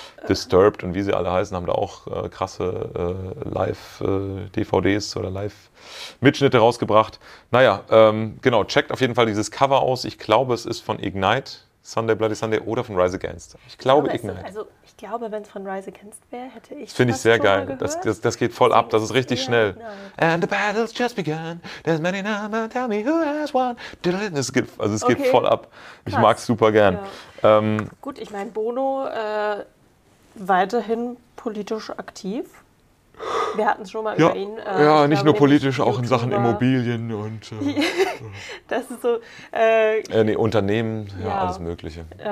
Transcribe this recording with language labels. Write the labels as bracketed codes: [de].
[de] Disturbed und wie sie alle heißen, haben da auch krasse Live-DVDs oder Live-Mitschnitte rausgebracht. Naja, genau, checkt auf jeden Fall dieses Cover aus. Ich glaube, es ist von Ignite, Sunday Bloody Sunday oder von Rise Against. Ich glaube Ignite. Ich glaube, wenn es von Rise Against wäre, hätte ich das. Finde ich sehr geil. Das geht voll ab. Das ist richtig schnell. [en] Nein. And the battle's just begun. There's many now, but tell me who has won. [de] Es geht voll ab. Ich mag es super gern. Ja. Gut, ich meine, Bono weiterhin politisch aktiv. Wir hatten es schon mal ja, über ihn. Ja, nicht glaube, nur politisch, auch in Sachen Immobilien und. das ist so. Unternehmen, ja, alles Mögliche.